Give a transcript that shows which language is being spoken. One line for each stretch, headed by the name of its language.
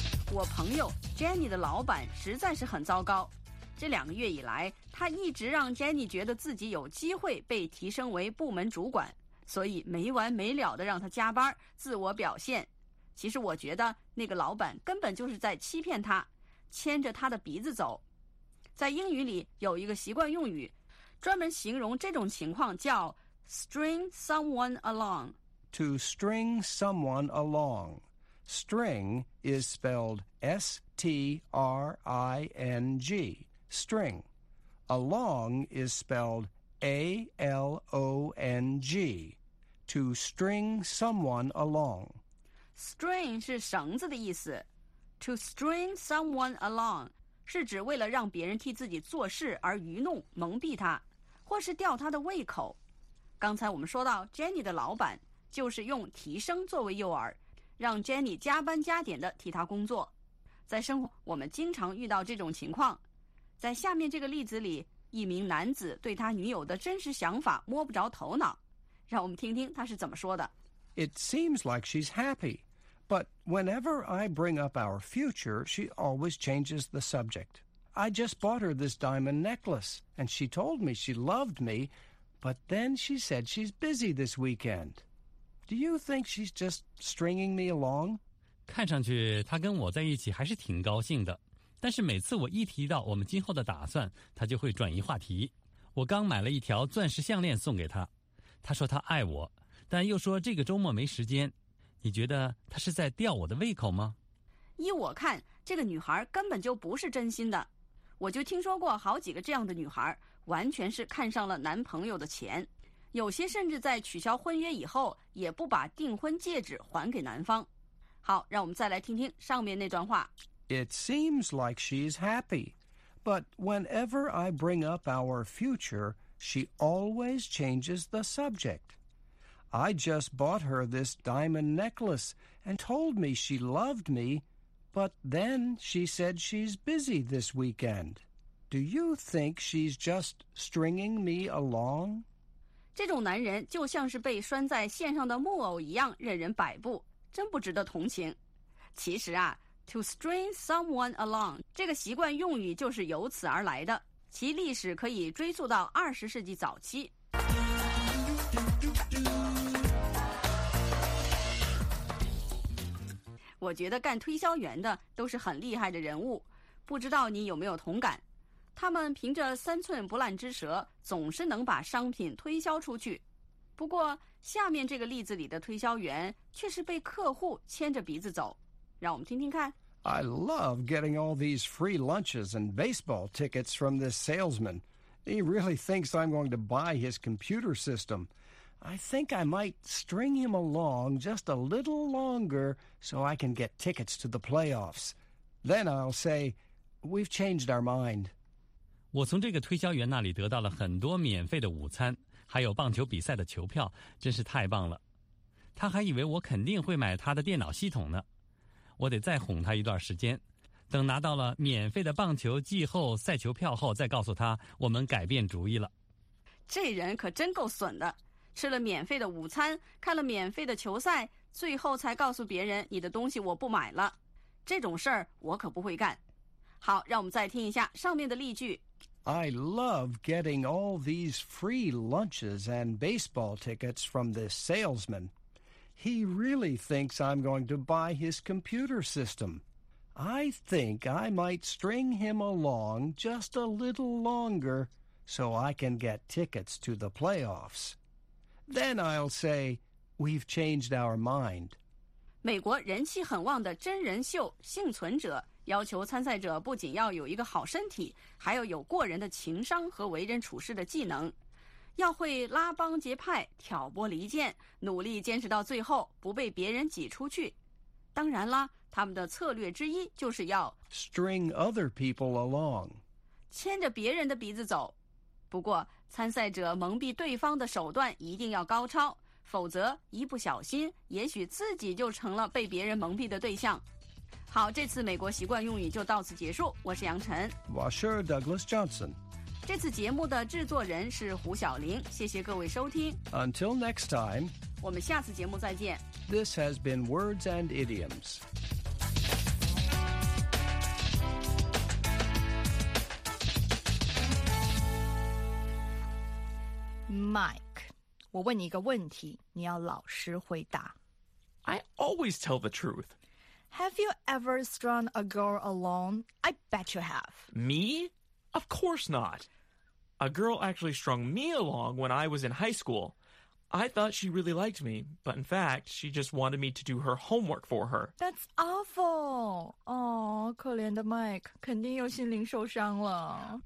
Chinese: 我朋友 Jenny 的老板实在是很糟糕这两个月以来他一直让 Jenny 觉得自己有机会被提升为部门主管所以没完没了的让他加班自我表现其实我觉得那个老板根本就是在欺骗他牵着他的鼻子走在英语里有一个习惯用语专门形容这种情况叫
English: string someone along. To string someone along. String is spelled S-T-R-I-N-G. String. Along is spelled A-L-O-N-G. To string someone along.
Chinese: String 是绳子的意思。
English: To string someone along
Chinese: 是指为了让别人替自己做事而愚弄、蒙蔽他。或是吊他的胃口。刚才我们说到 Jenny 的老板就是用提升作为诱饵，让 Jenny 加班加点的替他工作。在生活，我们经常遇到这种情况。在下面这个例子里，一名男子对他女友的真实想法摸不着头脑。让我们听听他是怎么说的。
English: It seems like she's happy, but whenever I bring up our future, she always changes the subject. I just bought her this diamond necklace, and she told me she loved me, but then she said she's busy this weekend. Do you think she's just stringing me along?
Chinese: 看上去她跟我在一起还是挺高兴的，但是每次我一提到我们今后的打算，她就会转移话题。我刚买了一条钻石项链送给她，她说她爱我，但又说这个周末没时间。你觉得她是在吊我的胃口吗？依我看，这个女孩根本就不是真心的。我就听说过好几个这样的女孩，完全是看上了男朋友的钱，有些甚至在取消婚约以后也不把订婚戒指还给男方。好，让我们再来听听上面那段话。
English: It seems like she's happy, but whenever I bring up our future, she always changes the subject. I just bought her this diamond necklace and told me she loved me, but then she said she's busy this weekend. Do you think she's just stringing me along?
Chinese: 这种男人就像是被拴在线上的木偶一样任人摆布，真不值得同情。其实啊 ,
English: to string someone along,
Chinese: 这个习惯用语就是由此而来的，其历史可以追溯到20世纪早期。我觉得干推销员的都是很厉害的人物，不知道你有没有同感。他们凭着三寸不烂之舌，总是能把商品推销出去。不过下面这个例子里的推销员却是被客户牵着鼻子走，让我们听听看。
English: I love getting all these free lunches and baseball tickets from this salesman. He really thinks I'm going to buy his computer system. I think I might string him along just a little longer so I can get tickets to the playoffs. Then I'll say, we've changed our mind.
Chinese: 我从这个推销员那里得到了很多免费的午餐，还有棒球比赛的球票，真是太棒了。他还以为我肯定会买他的电脑系统呢。我得再哄他一段时间，等拿到了免费的棒球季后赛球票后，再告诉他我们改变主意了。这人可真够损的，吃了免费的午餐，看了免费的球赛，最后才告诉别人你的东西我不买了。这种事儿我可不会干。好，让我们再听一下上面的例句。
English: I love getting all these free lunches and baseball tickets from this salesman. He really thinks I'm going to buy his computer system. I think I might string him along just a little longer so I can get tickets to the playoffs. Then I'll say, we've changed our mind.
Chinese: 美国人气很旺的真人秀《幸存者》要求参赛者不仅要有一个好身体，还要有过人的情商和为人处事的技能，要会拉帮结派、挑拨离间，努力坚持到最后，不被别人挤出去。当然啦，他们的策略之一就是要
English: string other people along，
Chinese: 牵着别人的鼻子走。不过参赛者蒙蔽对方的手段一定要高超，否则一不小心也许自己就成了被别人蒙蔽的对象。好，这次美国习惯用语就到此结束。我是杨晨。
English: Washer Douglas Johnson。
Chinese: 这次节目的制作人是胡晓玲。谢谢各位收听。
English: Until next time。
Chinese: 我们下次节目再见。
English: This has been Words and Idioms.
Chinese: Mike， 我问你一个问题，你要老实回答。
English: I always tell the truth. Have you ever strung a girl along? I bet you have. Me? Of course not. A girl actually strung me along when I was in high school. I thought she really liked me, but in fact, she just wanted me to do her homework for her. That's awful.
Chinese: Aw, 可怜的 Mike, 肯定又心灵受伤了。